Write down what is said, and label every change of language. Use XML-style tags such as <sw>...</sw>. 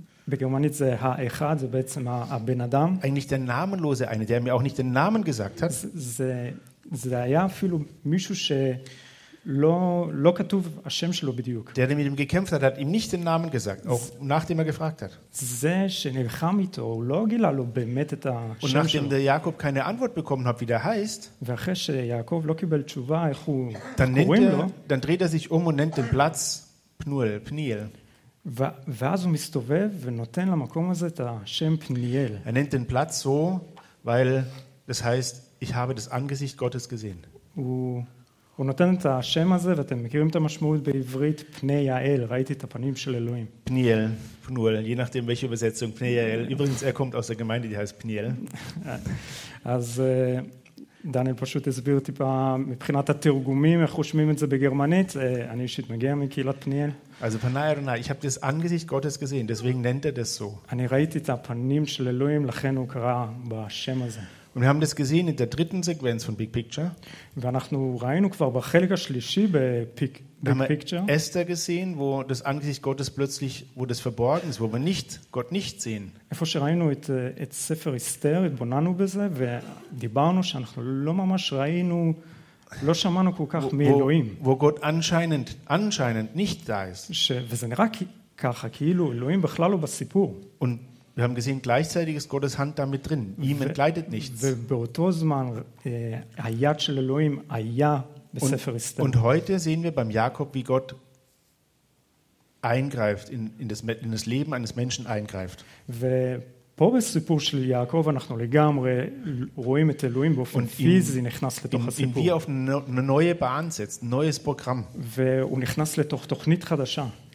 <he>בגרמנית זה האחד, זה בעצם הבן אדם.</he> <de>Eigentlich der namenlose eine, der mir auch nicht den Namen gesagt hat.</de> <he>זה היה אפילו מישהו שלא כתוב השם שלו בדיוק.</he> <de>Der mit ihm gekämpft hat, hat ihm nicht den Namen gesagt, auch nachdem er gefragt hat.</de> <he>זה שנלחם איתו, לא גילה לו באמת את השם שלו.</he> <de>Und nachdem der Jakob keine Antwort bekommen hat, wie der heißt,</de> <he>ואחרי שיעקב לא קיבל תשובה, איך הוא קוראים לו,</he> <de>dann dreht er sich um und nennt den Platz Pniel.</de> <he>ואז הוא מסתובב ונותן למקום הזה את השם פניאל.</he> <de>Er nennt den Platz so, weil das heißt, ich habe das Angesicht Gottes gesehen.</de> <he>הוא נותן את השם הזה, ואתם מכירים את המשמעות בעברית, פני יעל, ראיתי את הפנים של אלוהים.</he> <de>פניאל, פנואל, je nachdem welche Übersetzung, פני יעל. Übrigens, er kommt aus der Gemeinde, die heißt פניאל.</de> <he>אז דניאל פשוט הסביר טיפה מבחינת התרגומים, איך חושמים את זה בגרמנית. אני אישית מגיע מקהילת פניאל. אז פנאייר נאי,</he> <de>ich habe das Angesicht Gottes gesehen, deswegen nennt er das so.</de> <he>אני ראיתי את הפנים של אלוהים, לכן הוא קרא בשם הזה.</he> <de>Und wir haben das gesehen in der dritten Sequenz von Big Picture.</de> <he>ואנחנו ראינו כבר בחלק השלישי בפיק</he> <en>Picture.</en> <de>Esther gesehen, wo das Angesicht Gottes plötzlich, wo das verborgen ist, wo wir nicht Gott nicht sehen.</de> <he>איפה שראינו את ספר אסתר, התבוננו בזה ודיברנו שאנחנו לא ממש ראינו, לא שמענו כל כך מאלוהים.</he> <de>Wo Gott anscheinend nicht da ist.</de> <he>וזה נראה ככה, כאילו אלוהים בכלל לא בסיפור.</he> <de>Und wir haben gesehen, gleichzeitig ist Gottes Hand damit drin. Ihm entgleitet nichts.</de> <he>ובאותו זמן, היד של אלוהים היה בספר אסתר.</he> <de>Und heute sehen wir beim Jakob, wie Gott eingreift, in das Leben eines Menschen eingreift.</de> <he>ופה בסיפור של יעקב, אנחנו לגמרי רואים את אלוהים באופן פיזי, נכנס לתוך הסיפור.</he> <de>Und wie auf eine neue Bahn setzt, neues Programm.</de> <he>והוא נכנס לתוך תוכנית חדשה.</he>